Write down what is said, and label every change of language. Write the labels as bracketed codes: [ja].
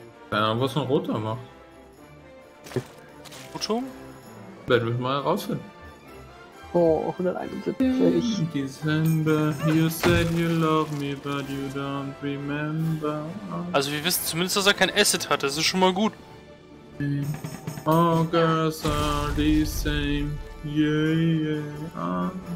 [de] Keine Ahnung, was ein Roter macht. Rotum? Werden wir mal rausfinden. Oh, 171. [en] December, you said you love me, but you don't remember. [de] Also wir wissen zumindest, dass er kein Acid hat, das ist schon mal gut. [en] All girls are the same, yeah, yeah, yeah.